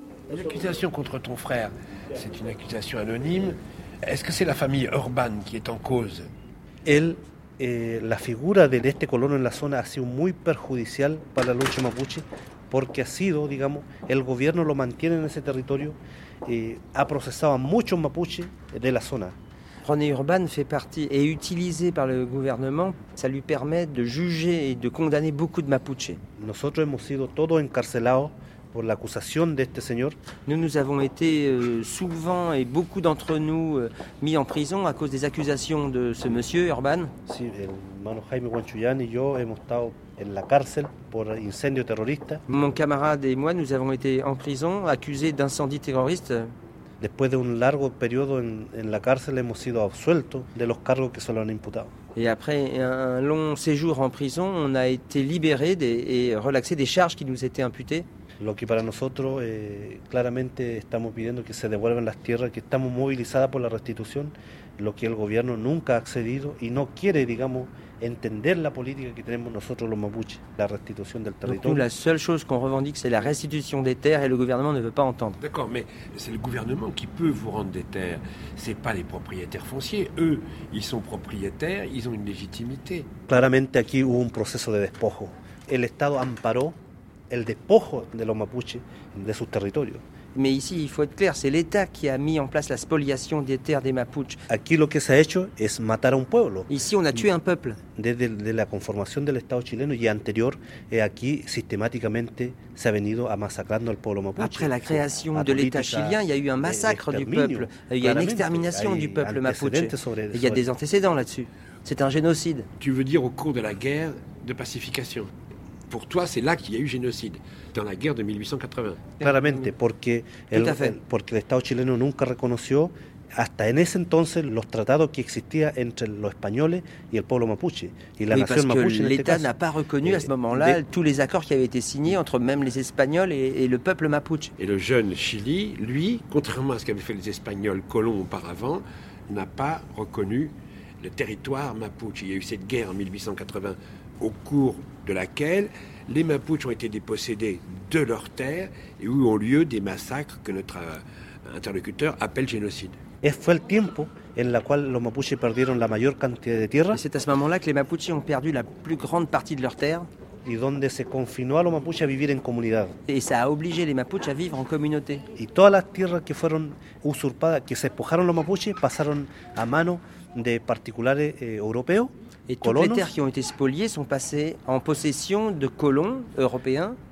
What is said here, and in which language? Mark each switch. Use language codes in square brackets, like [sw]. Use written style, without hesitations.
[fr] L'accusation contre ton frère, c'est une accusation anonyme. Est-ce que c'est la famille Urban qui est en cause? [es] Elle, la figura de este colono en la zona ha sido muy perjudicial para la lucha mapuche. Porque ha sido, digamos, el gobierno lo mantiene en ese territorio, ha procesado a muchos mapuches de la zona. [fr] René Urban fait partie et est utilisé par le gouvernement, ça lui permet de juger et de condamner beaucoup de mapuches. [es] Nosotros hemos sido todos encarcelados por la acusación de este señor. [fr] Nous avons été souvent et beaucoup d'entre nous mis en prison à cause des accusations de ce monsieur Urban. [es] Sí, el hermano Jaime Huanchuyán y yo hemos estado en la cárcel por incendio terrorista. [fr] Mon camarade et moi, nous avons été en prison accusés d'incendie terroriste. [es] Después de un largo periodo en la cárcel hemos sido absueltos de los cargos que se le han imputado. [fr] Et après un long séjour en prison, on a été libéré et relaxé des charges qui nous étaient imputées. [es] Lo que para nosotros claramente estamos pidiendo que se devuelvan las tierras, que estamos movilizadas por la restitución, lo que el gobierno nunca ha accedido y no quiere, digamos, entender la política que tenemos nosotros los mapuches, la restitución del territorio. [fr] Donc, la seule chose qu'on revendique, c'est la restitution des terres et le gouvernement ne veut pas entendre. D'accord, mais c'est le gouvernement qui peut vous rendre des terres, c'est pas les propriétaires fonciers. Eux, ils sont propriétaires, ils ont une légitimité. [es] Claramente aquí hubo un proceso de despojo. El Estado amparó el despojo de los mapuches de sus territorios. [fr] Mais ici, il faut être clair, c'est l'État qui a mis en place la spoliation des terres des Mapuches. [es] Aquí lo que se ha hecho es matar a un pueblo. [fr] Ici, on a tué un peuple. [es] Desde la conformación del Estado chileno y anterior, aquí sistemáticamente se ha venido a masacrando al pueblo Mapuche. [fr] Après la création de l'État chilien, il y a eu un massacre du peuple. Il y a une extermination du peuple Mapuche. Il y a des antécédents là-dessus. C'est un génocide. Tu veux dire au cours de la guerre de pacification? Pour toi, c'est là qu'il y a eu génocide, dans la guerre de 1880. [es] Claramente, porque el Estado chileno nunca reconoció hasta en ese entonces los tratados que existían entre los españoles y el pueblo mapuche y la nación mapuche. [fr] Parce que l'État n'a pas reconnu à ce moment-là tous les accords qui avaient été signés entre même les Espagnols et le peuple mapuche. Et le jeune Chili, lui, contrairement à ce qu'avaient fait les Espagnols colons auparavant, n'a pas reconnu le territoire mapuche. Il y a eu cette guerre en 1880. Au cours de laquelle les Mapuches ont été dépossédés de leurs terres et où ont lieu des massacres que notre interlocuteur appelle génocide. [es] Et fue el tiempo en la cual los Mapuches perdieron la mayor cantidad de tierra. [fr] C'est à ce moment-là que les Mapuches ont perdu la plus grande partie de leurs terres. [es] Y donde se confinó a los Mapuches a vivir en comunidad. [fr] Et ça a obligé les Mapuches à vivre en communauté. [es] Y todas las tierras que fueron usurpadas, que se despojaron los Mapuches, pasaron a mano de particulares europeos. [fr] Et toutes les terres qui ont été spoliées sont passées en possession de colons européens.